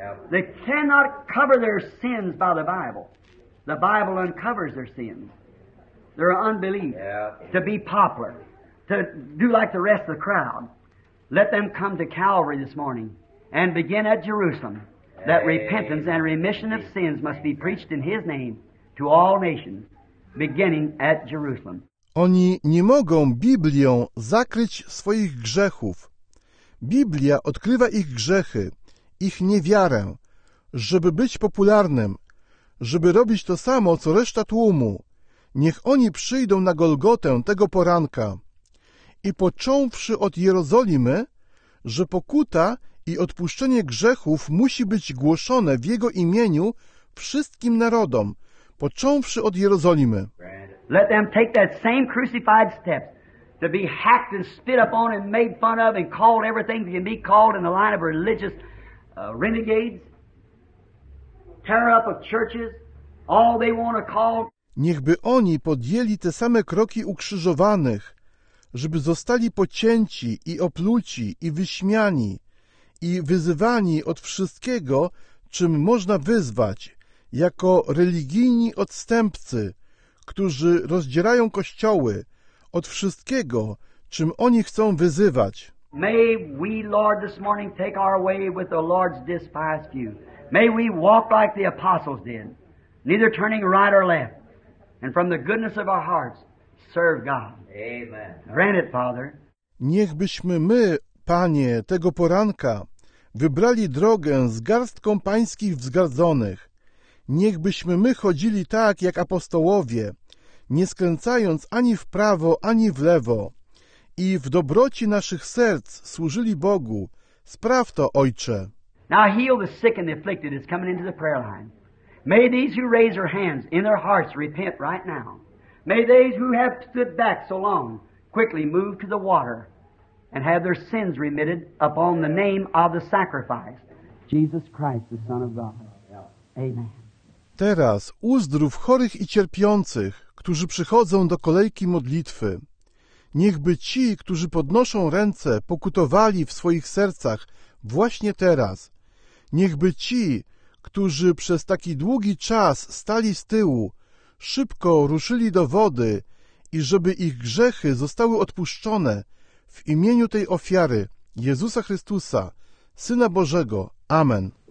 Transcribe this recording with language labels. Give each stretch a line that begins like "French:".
English: They cannot cover their sins by the Bible. The Bible uncovers their sins. Their unbelief. Yeah. To be popular. To do like the rest of the crowd. Let them come to Calvary this morning and begin at Jerusalem. That repentance and remission of sins must be preached in His name to all nations, beginning at Jerusalem.
Polish: Oni nie mogą Biblią zakryć swoich grzechów. Biblia odkrywa ich grzechy, ich niewiarę, żeby być popularnym, żeby robić to samo, co reszta tłumu. Niech oni przyjdą na Golgotę tego poranka i począwszy od Jerozolimy, że pokuta i odpuszczenie grzechów musi być głoszone w Jego imieniu wszystkim narodom, począwszy od Jerozolimy.
English: Let them take that same crucified step to be hacked and spit upon and made fun of and called everything that can be called in the line of religious renegades, tear up of churches, all they want to call.
Polish: Niechby oni podjęli te same kroki ukrzyżowanych, żeby zostali pocięci i opluci i wyśmiani i wyzywani od wszystkiego, czym można wyzwać, jako religijni odstępcy, którzy rozdzierają kościoły od wszystkiego, czym oni chcą wyzywać.
English: May we, Lord, this morning take our way with the Lord's despised view. May we walk like the apostles did, neither turning right or left, and from the goodness of our hearts serve God. Amen. Grant it, Father.
Polish: Niechbyśmy my, Panie, tego poranka wybrali drogę z garstką Pańskich wzgardzonych. Niechbyśmy my chodzili tak, jak apostołowie, nie skręcając ani w prawo, ani w lewo, i w dobroci naszych serc służyli Bogu. Spraw to, Ojcze.
English: Now heal the sick and the afflicted is coming into the prayer line. May these who raise their hands in their hearts repent right now. May these who have stood back so long quickly move to the water and have their sins remitted upon the name of the sacrifice, Jesus Christ, the Son of God. Amen.
Polish: Teraz uzdrów chorych i cierpiących, którzy przychodzą do kolejki modlitwy. Niechby ci, którzy podnoszą ręce, pokutowali w swoich sercach właśnie teraz. Niechby ci, którzy przez taki długi czas stali z tyłu, szybko ruszyli do wody i żeby ich grzechy zostały odpuszczone w imieniu tej ofiary, Jezusa Chrystusa, Syna Bożego. Amen.